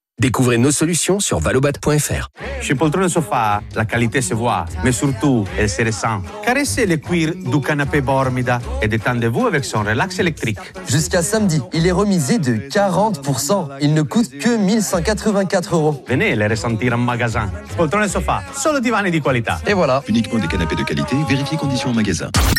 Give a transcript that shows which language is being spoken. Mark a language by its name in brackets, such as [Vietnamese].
[French] Découvrez nos solutions sur valobat.fr. Chez Poltrone Sofa, la qualité se voit, mais surtout, elle se ressent. Caressez le cuir du canapé Bormida et détendez-vous avec son relax électrique. Jusqu'à samedi, il est remisé de 40%. Il ne coûte que 1184 euros. Venez les ressentir en magasin. [Italian] Poltrone Sofa, solo divani di qualità. [French] Et voilà. Uniquement des canapés de qualité, vérifiez conditions en magasin.